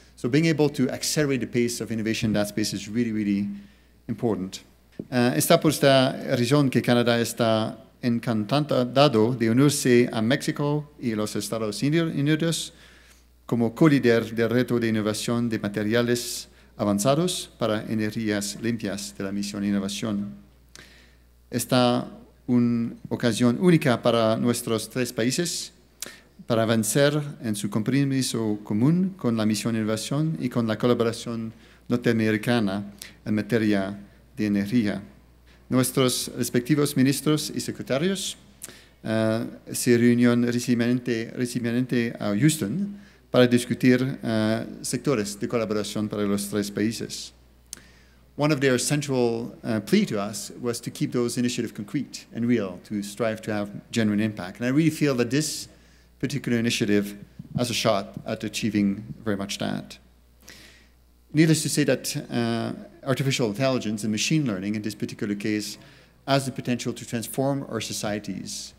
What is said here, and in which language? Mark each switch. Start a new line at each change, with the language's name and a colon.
English: So being able to accelerate the pace of innovation in that space is really, really important.
Spanish: Está por esta razón que Canadá está encantado de unirse a México y los Estados Unidos como co-líder del reto de innovación de materiales avanzados para energías limpias de la misión Innovación. Esta una ocasión única para nuestros tres países para avanzar en su compromiso común con la misión Innovación y con la colaboración norteamericana en materia de energía. Nuestros respectivos ministros y secretarios se reunieron recientemente a Houston para discutir sectores de colaboración para los tres países.
English: One of their central plea to us was to keep those initiatives concrete and real, to strive to have genuine impact. And I really feel that this particular initiative has a shot at achieving very much that. Needless to say that artificial intelligence and machine learning in this particular case has the potential to transform our societies.